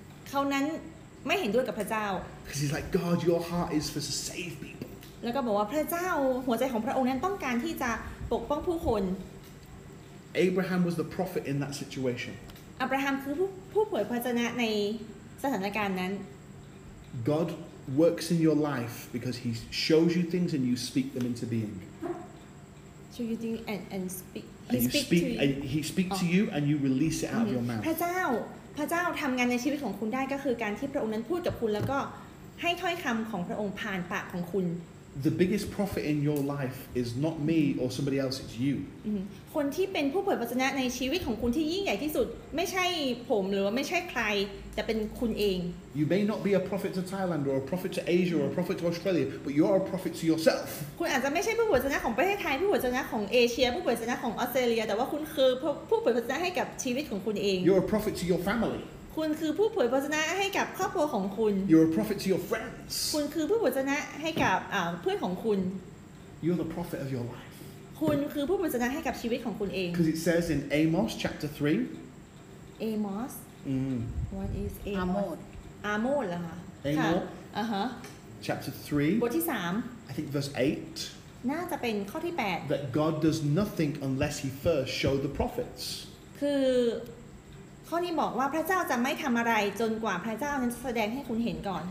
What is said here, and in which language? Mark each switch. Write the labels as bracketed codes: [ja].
[th] เขานั้นไม่เห็นด้วยกับพระเจ้า [en] because he's like God your heart is for to save people [th] แล้วก็บอกว่าพระเจ้าหัวใจของพระองค์นั้นต้องการที่จะปกป้องผู้คน [en] Abraham was the prophet in that situation [th] อับราฮัมคือผู้เผยพระวจนะในสถานการณ์นั้น [en] God works in your life because he shows you things and you speak them into being show you things and speak he speak to you. He speak to you and you release it out of your mouth [th] พระเจ้าทำงานในชีวิตของคุณได้ก็คือการที่พระองค์นั้นพูดกับคุณแล้วก็ให้ถ้อยคำของพระองค์ผ่านปากของคุณ [en] The biggest prophet in your life is not me or somebody else it's you [th] คนที่เป็นผู้เผยพระวจนะในชีวิตของคุณที่ยิ่งใหญ่ที่สุดไม่ใช่ผมหรือว่าไม่ใช่ใครจะเป็นคุณเอง [en] You may not be a prophet to Thailand or a prophet to Asia or a prophet to Australia but you are a prophet to yourself [th] คุณอาจจะไม่ใช่ผู้เผยพระวจนะของประเทศไทยผู้เผยพระวจนะของเอเชียผู้เผยพระวจนะของออสเตรเลียแต่ว่าคุณคือผู้เผยพระวจนะให้กับชีวิตของคุณเอง [en] You are a prophet to your family [th] คุณคือผู้เผยพระวจนะให้กับครอบครัวของคุณ [en] You're a prophet to your friends [th] คุณคือผู้เผยพระวจนะให้กับเพื่อนของคุณ [en] You're the prophet of your life [th] คุณคือผู้เผยพระวจนะให้กับชีวิตของคุณเอง [en] Because it says in Amos chapter 3 Amos What is Amos [th] Amos เหรอคะ [en] Amos Chapter 3 [th] บทที่3 [en] I think verse 8 [th] น่าจะเป็นข้อที่8 [en] That God does nothing unless he first show the prophets คือข้อนี้บอกว่าพระเจ้าจะไม่ทำอะไรจนกว่าพระเจ้านั้นแสดงให้คุณเห็นก่อน